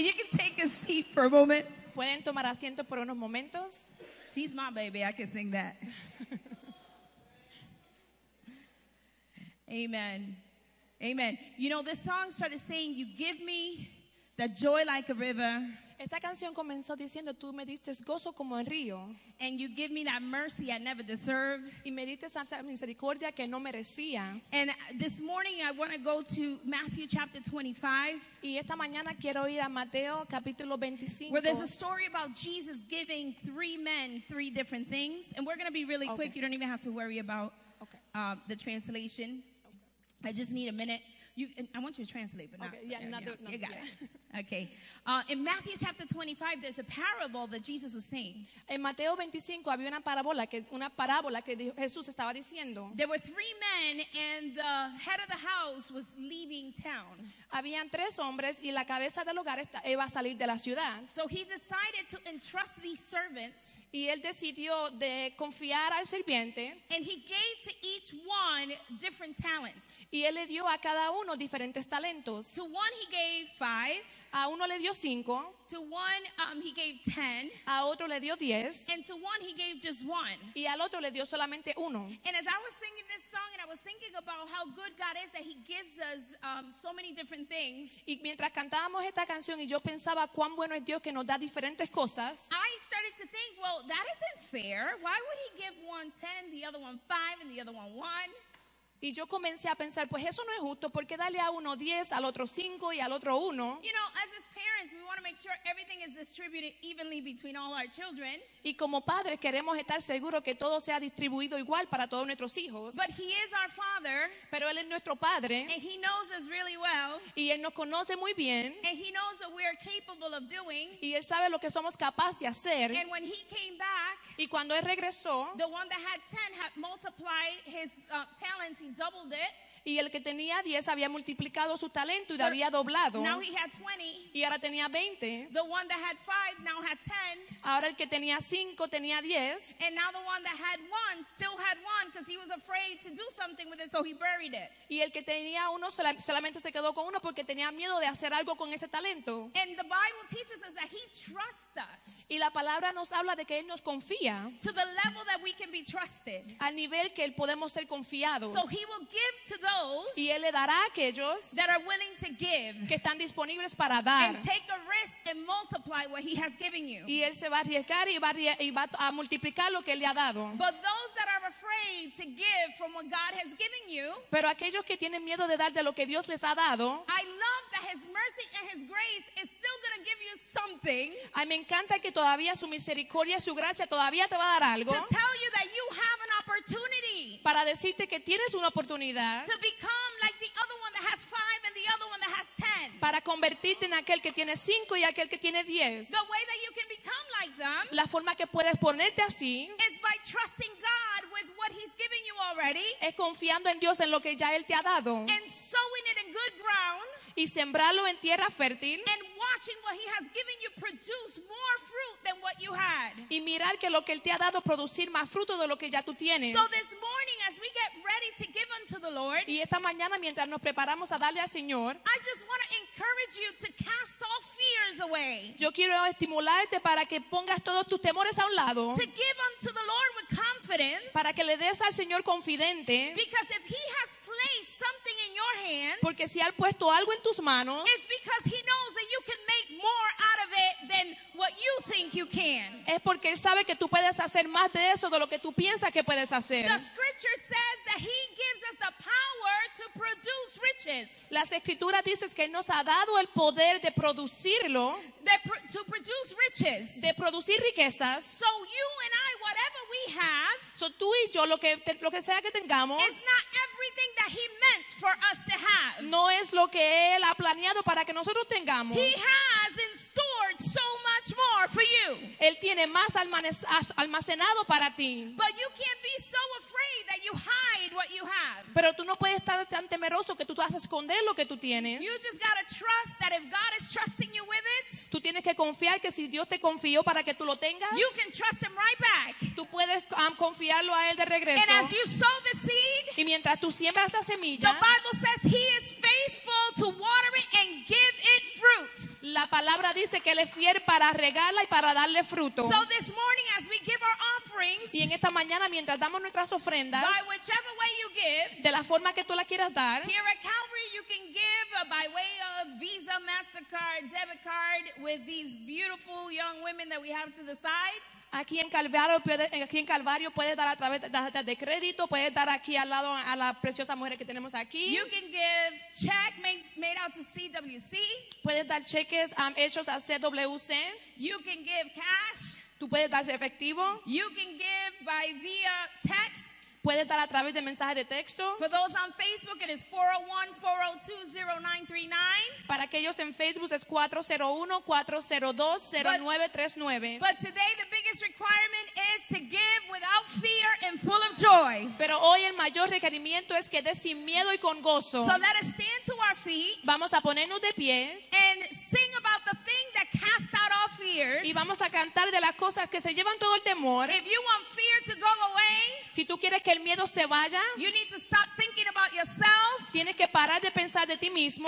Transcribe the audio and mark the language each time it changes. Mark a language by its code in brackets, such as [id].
[en] You can take a seat for a moment. [es] ¿Pueden tomar asiento por unos momentos? [en] He's my baby, I can sing that. Amen, amen. You know, this song started saying, you give me the joy like a river. [es] Esta canción comenzó diciendo, tú me diste gozo como el río. [en] And you give me that mercy I never deserve. [es] Y me diste esa misericordia que no merecía. [en] And this morning I want to go to Matthew chapter 25. [es] Y esta mañana quiero ir a Mateo capítulo 25. [en] Where there's a story about Jesus giving three men three different things. And we're going to be really quick. Okay. You don't even have to worry about the translation. Okay. I just need a minute. I want you to translate, but not. Okay, yeah, you got it. Okay. In Matthew chapter 25, there's a parable that Jesus was saying. [es] En Mateo 25 había una parábola que Jesús estaba diciendo. [en] There were three men, and the head of the house was leaving town. [es] Habían tres hombres y la cabeza del hogar iba a salir de la ciudad. [en] So he decided to entrust these servants. [es] Y él decidió de confiar al sirviente. [en] And he gave to each one different talents. [es] Y él le dio a cada uno diferentes talentos. [en] To one he gave five. [es] A uno le dio cinco. [en] To one he gave ten. [es] A otro le dio diez. [en] And to one he gave just one. [es] Y al otro le dio solamente uno. [en] And as I was singing this song and I was thinking about how good God is that he gives us so many different things. [es] Y mientras cantábamos esta canción y yo pensaba cuán bueno es Dios que nos da diferentes cosas. [en] I started to think, well, that isn't fair. Why would he give one 10, the other one 5, and the other one 1? [es] Y yo comencé a pensar, pues eso no es justo, ¿por qué darle a uno 10, al otro 5 y al otro 1? [en] You know, as his parents, we want to make sure everything is distributed evenly between all our children. [es] Y como padres queremos estar seguros que todo sea distribuido igual para todos nuestros hijos. [en] But he is our father. [es] Pero él es nuestro padre. [en] And he knows us really well. [es] Y él nos conoce muy bien. [en] And he knows what we are capable of doing. [es] Y él sabe lo que somos capaces de hacer. [en] And when he came back, [es] y cuando él regresó, [en] the one that had 10 had multiplied his talents. He doubled it. [es] Y el que tenía 10 había multiplicado su talento y lo había doblado. [en] Now he had 20. [es] Y ahora tenía 20. [en] The one that had 5 now had 10. [es] Ahora el que tenía 5 tenía 10. [en] And now the one that had 1 still had 1 because he was afraid to do something with it, so he buried it. [es] Y el que tenía 1 solamente se quedó con 1 porque tenía miedo de hacer algo con ese talento. [en] And the Bible teaches us that he trusts us. [es] Y la palabra nos habla de que él nos confía. [en] To the level that we can be trusted. [es] Al nivel que él podemos ser confiados. [en] So he will give to those, [es] y él le dará a aquellos [en] that are willing to give, [es] que están disponibles para dar, [en] and take a risk and multiply what he has given you. [es] Y él se va a arriesgar y va a multiplicar lo que él le ha dado. [en] But those that are afraid to give from what God has given you, [es] pero aquellos que tienen miedo de dar de lo que Dios les ha dado, [en] I love that his mercy and his grace is still going to give you something. [es] Ay, me encanta que todavía su misericordia y su gracia todavía te va a dar algo. [en] To tell you that you have an opportunity. [es] Para decirte que tienes una oportunidad. [en] To become like the other one that has 5 and the other one that has 10. [es] Para convertirte en aquel que tiene 5 y aquel que tiene 10. [en] The way that you can become like them. [es] La forma que puedes ponerte así. [en] Is by trusting God with what he's given you already. [es] Es confiando en Dios en lo que ya él te ha dado. [en] And sowing it in good ground. [es] Y sembrarlo en tierra fértil. [en] And watching what he has given you produce more fruit than what you had. [es] Y mirar que lo que él te ha dado producir más fruto de lo que ya tú tienes. [en] So this morning as we get ready to give unto the Lord. [es] Y esta mañana mientras nos preparamos a darle al Señor. [en] I just want to encourage encourage you to cast all fears away. [es] Yo quiero estimularte para que pongas todos tus temores a un lado. [en] To give unto the Lord with confidence. [es] Para que le des al Señor confidente. [en] Because if he has placed something in your hands, [es] porque si ha puesto algo en tus manos, [en] it's because he knows that you can make more out of it than what you think you can. [es] Es porque él sabe que tú puedes hacer más de eso de lo que tú piensas que puedes hacer. [en] The scripture says that he gives us the power to produce riches. [es] Las escrituras dicen que él nos ha dado el poder de producirlo. [en] To produce riches. [es] De producir riquezas. [en] So you and I, whatever we have, [es] so tú y yo, lo que sea que tengamos, [en] it's not everything that he meant for us to have. [es] No es lo que él ha planeado para que nosotros tengamos. [en] He has in store so much more for you. [es] Él tiene más almacenado para ti. [en] But you can't be so afraid that you hide what you have. [es] Pero tú no puedes estar tan temeroso que tú vas a esconder lo que tú tienes. [en] You just gotta trust that if God is trusting you with it, [es] tú tienes que confiar que si Dios te confió para que tú lo tengas, [en] you can trust him right back. [es] Tú puedes confiarlo a él de regreso. [en] And as you sow the seed, [es] y mientras tú siembras la semilla, [en] the Bible says he is faithful to water it and give it fruit. [es] La palabra dice que él es fiel para regarla y para darle fruto. [en] So this morning as we give our offerings, [es] y en esta mañana mientras damos nuestras ofrendas, [en] by whichever way you give, [es] de la forma que tú la quieras dar, [en] here at Calvary you can give by way of Visa, MasterCard, debit card with these beautiful young women that we have to the side. [es] Aquí en Calvario puedes dar a través de crédito, puedes dar aquí al lado a las preciosas mujeres que tenemos aquí. [en] You can give check made out to CWC. [es] Puedes dar cheques hechos a CWC. [en] You can give cash. [es] Tú puedes dar efectivo. [en] You can give by via text. [es] Puedes dar a través de mensaje de texto. [en] For those on Facebook, it is 401-402-0939. [es] Para aquellos en Facebook, es 401-402-0939. [en] But today, the biggest requirement is to give without fear and full of joy. [es] Pero hoy el mayor requerimiento es que des sin miedo y con gozo. [en] So let us stand to our feet. [es] Vamos a ponernos de pie. [en] And sing about the thing that casts out all fears. [es] Y vamos a cantar de las cosas que se llevan todo el temor. [en] If you want fear to go away, [es] si tú quieres que el miedo se vaya, [en] you need to stop thinking about yourself, [es] tienes que parar de pensar de ti mismo,